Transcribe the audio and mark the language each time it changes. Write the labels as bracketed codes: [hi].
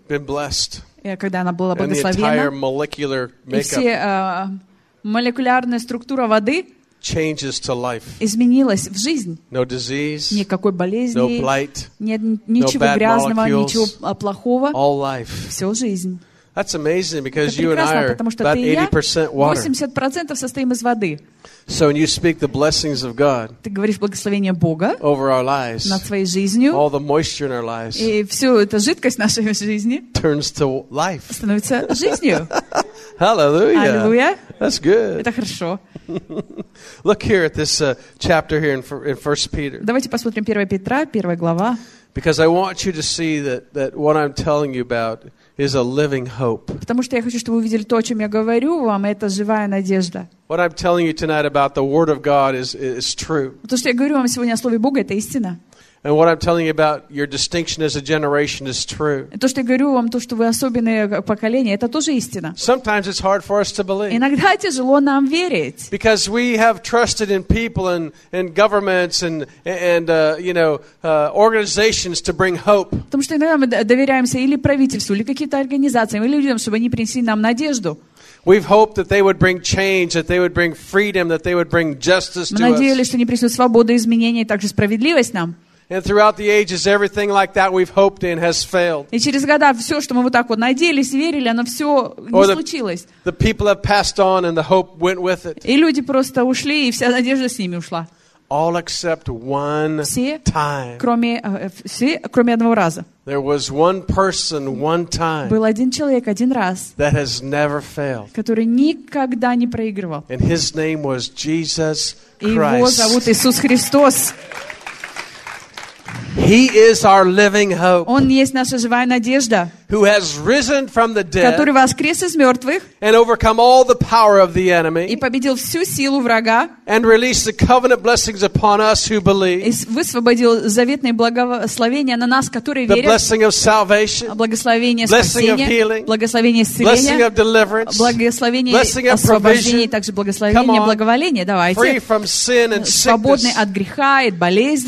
[en] Been blessed. [ru] Когда она была благословена. [en] And the entire molecular makeup. [ru] И все молекулярная структура воды. [en] Changes to life. [ru] Изменилась в жизнь. [en] No disease. [ru] Никакой болезни. [en] No blight. [ru] Нет ничего грязного, ничего плохого. [en] All life. [ru] Все жизнь. [en] That's amazing because you and I are about 80% water. [ru] 80% состоим из воды. [en] So when you speak the blessings of God, [ru] ты говоришь благословение Бога [en] over our lives, [ru] над своей жизнью, [en] all the moisture in our lives, [ru] и всю эту жидкость нашей жизни [en] turns to life. [ru] Становится жизнью. [en] Hallelujah. [ru] Hallelujah. [en] That's good. [ru] Это хорошо. [en] Look here at this chapter here in 1 Peter. [ru] Давайте посмотрим 1 Петра, 1 глава. [en] Because I want you to see that what I'm telling you about is a living hope. [ru] Потому что я хочу, чтобы вы видели то, о чем я говорю вам, это живая надежда. [en] What I'm telling you tonight about the word of God is true. [ru] То, что я говорю вам сегодня о слове Бога, это истина. [en] And what I'm telling you about your distinction as a generation is true. [ru] То, что я говорю вам, то, что вы особенное поколение, это тоже истина. [en] Sometimes it's hard for us to believe. [ru] Иногда тяжело нам верить. [en] Because we have trusted in people and governments organizations to bring hope. [ru] Потому что иногда мы доверяемся или правительству, или каким-то организациям, или людям, чтобы они принесли нам надежду. [en] We've hoped that they would bring change, that they would bring freedom, that they would bring justice to us. [ru] Мы надеялись, что они принесут свободу, изменения и также справедливость нам. [en] And throughout the ages, everything like that we've hoped in has failed. [ru] И через года все, что мы вот так вот надеялись, верили, оно все не случилось. [en] The people have passed on, and the hope went with it. [ru] И люди просто ушли, и вся надежда с ними ушла. [en] All except one time. [ru] Кроме одного раза. [en] There was one person one time. [ru] Был один человек один раз. [en] That has never failed. [ru] Который никогда не проигрывал. [en] And his name was Jesus Christ. [ru] Его зовут Иисус Христос. [en] He is our living hope. [ru] Он есть наша живая надежда. [en] Who has risen from the dead? [ru] Который воскрес из мертвых. [en] And overcome all the power of the enemy. [ru] И победил всю силу врага. [en] And released the covenant blessings upon us who believe. [ru] И высвободил заветные благословения на нас, которые верят. [en] The blessing of salvation. [ru] Благословение [en] blessing [ru] спасения. [en] Of healing, [ru] благословение исцеления. [en] Blessing of deliverance. [ru] Благословение [en] blessing of [ru] освобождения, также благословение благоволения. Давайте. [en] Free from sin and sickness. [ru] Свободный от греха и от болезни.